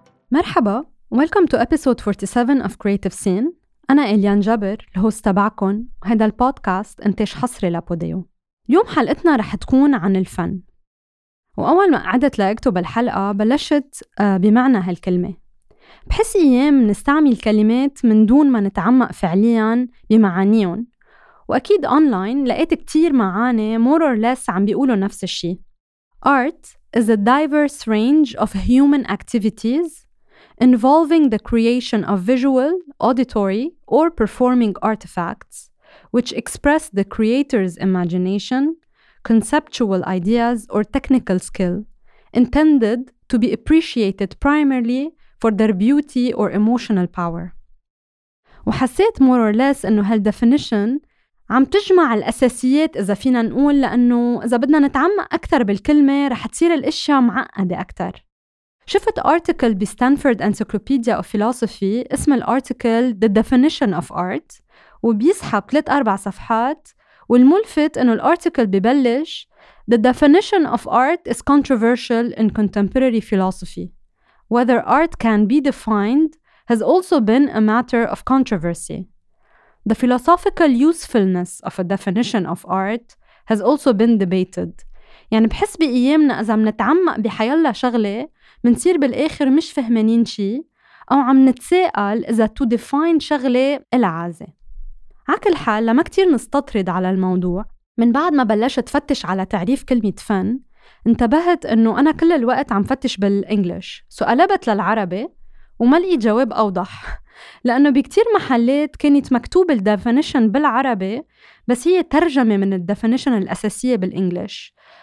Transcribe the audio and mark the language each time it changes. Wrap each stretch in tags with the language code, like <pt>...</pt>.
<ar>مرحبا،</ar> <en>welcome to episode 47 of Creative Scene.</en> <ar>أنا إليان جابر، الهوست تبعكم، وهذا البودكاست إنتاج حصري لبوديو. اليوم حلقتنا رح تكون عن الفن. وأول ما قعدت لأكتب الحلقة بلشت بمعنى هالكلمة. بحس أيام نستعمل كلمات من دون ما نتعمق فعلياً بمعانيهم، وأكيد أونلاين لقيت كتير معاني</ar> <en>more or less</en> <ar>عم بيقولوا نفس الشي.</ar> <en>Art is a diverse range of human activities involving the creation of visual, auditory, or performing artifacts which express the creator's imagination, conceptual ideas, or technical skill intended to be appreciated primarily for their beauty or emotional power.</en> <ar>وحسيت</ar> <en>more or less</en> <ar>إنه هالdefinition عم تجمع الأساسيات إذا فينا نقول، لأنه إذا بدنا نتعمق أكثر بالكلمة رح تصير الأشياء معقدة أكثر. شفت</ar> <en>article بستانفورد Encyclopedia of Philosophy</en> <ar>اسم الارتيكل</ar> <en>The Definition of Art،</en> <ar>وبيسحب 3-4 صفحات، والملفت إنه الارتيكل ببلش</ar> <en>The definition of art is controversial in contemporary philosophy. Whether art can be defined has also been a matter of controversy. The philosophical usefulness of a definition of art has also been debated.</en> <ar>يعني بحس بأيامنا إذا منتعمق بحيالة شغلة منصير بالآخر مش فهمانين شي، أو عم نتساءل إذا</ar> <en>to define</en> <ar>شغلة العازة. عكل حال لما كتير نستطرد على الموضوع، من بعد ما بلشت فتش على تعريف كلمة فن انتبهت إنه أنا كل الوقت عم فتش بالإنجليش، سؤالبت للعربي وما لقيت جواب أوضح، لأنه بكتير محلات كانت مكتوب الديفينيشن بالعربي بس هي ترجمة من الديفينيشن الأساسية بالإنجليش.</ar>